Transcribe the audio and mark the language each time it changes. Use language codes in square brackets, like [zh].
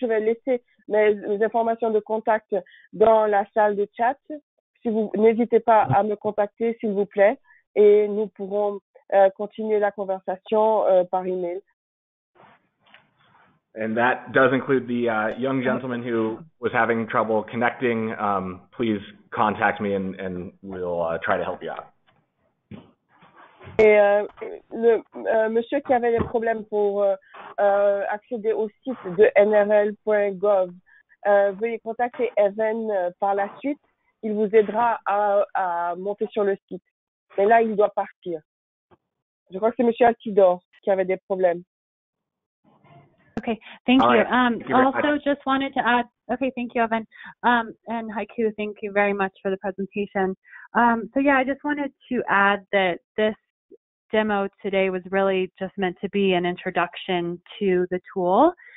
[fr] Je vais laisser mes informations de contact dans la salle de chat. Si vous n'hésitez pas à me contacter, s'il vous plaît, et nous pourrons continuer la conversation par email. [en] And that does include the young gentleman who was having trouble connecting. Please contact me and we'll try to help you out. [fr] Et monsieur qui avait des problèmes pour accéder au site de nrl.gov, veuillez contacter Evan par la suite. Il vous aidera à monter sur le site. Mais là, il doit partir. Je crois que c'est monsieur Altidor qui avait des problèmes. [en] Okay, thank you. Just wanted to add, okay, thank you, Evan. And Haiku, thank you very much for the presentation. I just wanted to add that this demo today was really just meant to be an introduction to the tool.